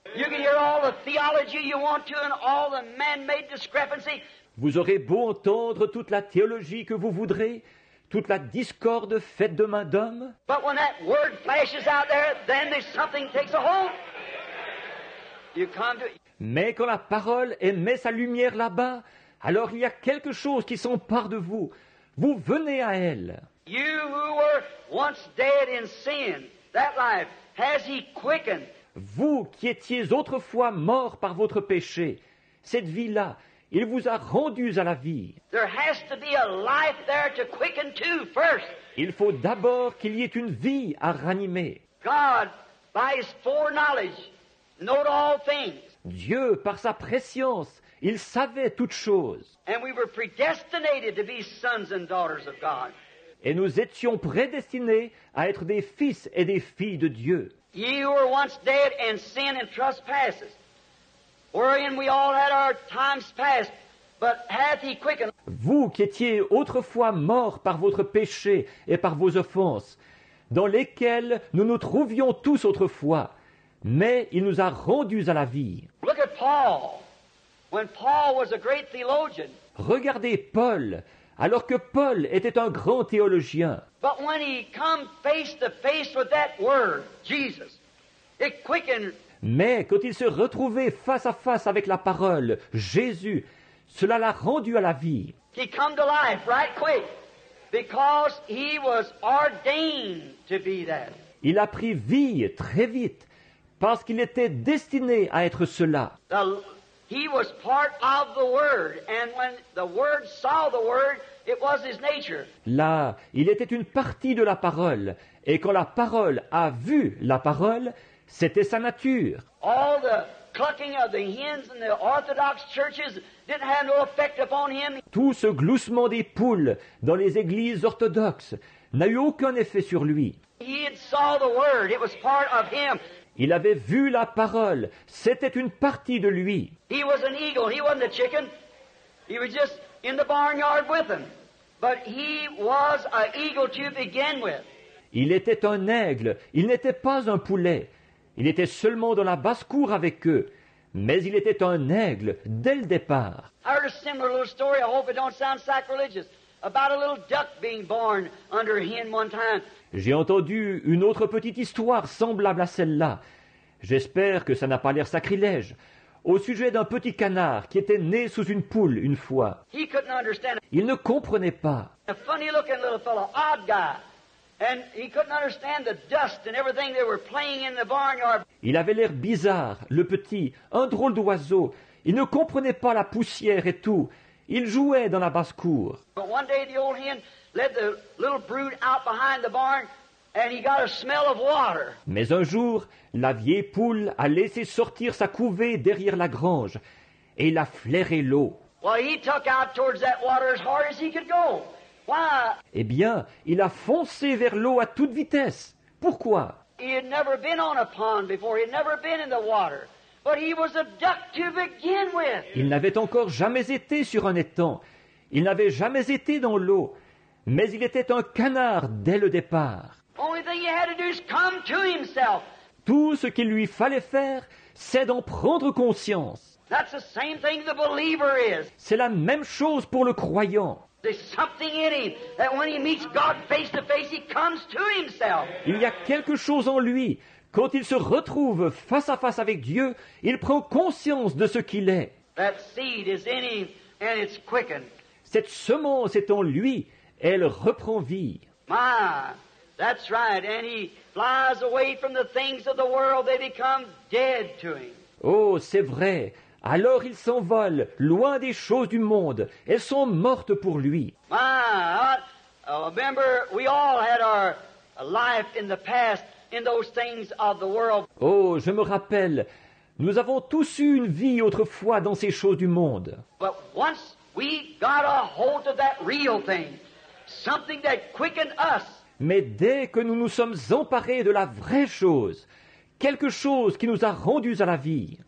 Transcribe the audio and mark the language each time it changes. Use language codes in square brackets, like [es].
[en] You can hear all the theology you want to and all the man-made discrepancy. [fr] Vous aurez beau entendre toute la théologie que vous voudrez, toute la discorde faite de main d'homme. [en] But when that word flashes out there, then there's something takes a hold. You come to... [fr] Mais quand la parole émet sa lumière là-bas, alors il y a quelque chose qui s'empare de vous. Vous venez à elle. [en] You who were once dead in sin, that life has he quickened. [fr] Vous qui étiez autrefois mort par votre péché, cette vie-là, il vous a rendus à la vie. [en] There has to be a life there to quicken to first. [fr] Il faut d'abord qu'il y ait une vie à ranimer. [en] God, by his foreknowledge, knows all things. [fr] Dieu, par sa prescience, il savait toutes choses. [en] And we were predestinated to be sons and daughters of God. [fr] Et nous étions prédestinés à être des fils et des filles de Dieu. [en] Ye were once dead in sin and trespasses, wherein we all had our times past, but hath he quickened. [fr] Vous qui étiez autrefois morts par votre péché et par vos offenses, dans lesquelles nous nous trouvions tous autrefois, mais il nous a rendus à la vie. [en] Look at Paul. When Paul was a great theologian. [fr] Regardez Paul, alors que Paul était un grand théologien. [en] But when he came face to face with that word, Jesus, it quickened. [fr] Mais quand il se retrouvait face à face avec la parole, Jésus, cela l'a rendu à la vie. [en] He came to life right quick because he was ordained to be that. [fr] Il a pris vie très vite parce qu'il était destiné à être cela. [en] He was part of the Word, and when the Word saw the Word, it was his nature. [fr] Là, il était une partie de la parole, et quand la parole a vu la parole, c'était sa nature. [en] All the clucking of the hens in the Orthodox churches didn't have no effect upon him. [fr] Tout ce gloussement des poules dans les églises orthodoxes n'a eu aucun effet sur lui. [en] He had saw the Word, it was part of him. [fr] Il avait vu la parole, c'était une partie de lui. [en] He was an eagle, he wasn't a chicken. He was just in the barnyard with him. But he was an eagle to begin with. [fr] Il était un aigle, il n'était pas un poulet. Il était seulement dans la basse-cour avec eux, mais il était un aigle dès le départ. [en] I heard a similar little story, I hope it don't sound sacrilegious, about a little duck being born under a hen one time. [fr] J'ai entendu une autre petite histoire semblable à celle-là. J'espère que ça n'a pas l'air sacrilège. Au sujet d'un petit canard qui était né sous une poule une fois. [en] He couldn't understand. [fr] Il ne comprenait pas. [en] A funny looking little fellow, odd guy. And he couldn't understand the dust and everything they were playing in the barnyard. [fr] Il avait l'air bizarre, le petit, un drôle d'oiseau. Il ne comprenait pas la poussière et tout. Il jouait dans la basse-cour. [en] But one day the old hen led the little brood out behind the barn, and he got a smell of water. [fr] Mais un jour, la vieille poule a laissé sortir sa couvée derrière la grange, et il a flairé l'eau. [en] Well, he took out towards that water as hard as he could go. Why? [fr] Eh bien, il a foncé vers l'eau à toute vitesse. Pourquoi? [en] He had never been on a pond before. He had never been in the water. But he was a duck to begin with. [fr] Il n'avait encore jamais été sur un étang. Il n'avait jamais été dans l'eau. Mais il était un canard dès le départ. [en] Only thing he had to do is come to himself. [fr] Tout ce qu'il lui fallait faire, c'est d'en prendre conscience. [en] That's the same thing the believer is. [fr] C'est la même chose pour le croyant. [en] There's something in him that when he meets God face to face, he comes to himself. [fr] Il y a quelque chose en lui. Quand il se retrouve face à face avec Dieu, il prend conscience de ce qu'il est. [en] That seed is in him and it's quickened. [fr] Cette semence est en lui. Elle reprend vie. [en] My, that's right. And he flies away from the things of the world. They become dead to him. [fr] Oh, c'est vrai. Alors il s'envole, loin des choses du monde. Elles sont mortes pour lui. [en] My, remember, we all had our life in the past in those things of the world. [fr] Oh, je me rappelle. Nous avons tous eu une vie autrefois dans ces choses du monde. [en] But once we got a hold of that real thing, something that quickened us. [fr] Mais dès que nous nous sommes emparés de la vraie chose, quelque chose qui nous a rendus à la vie.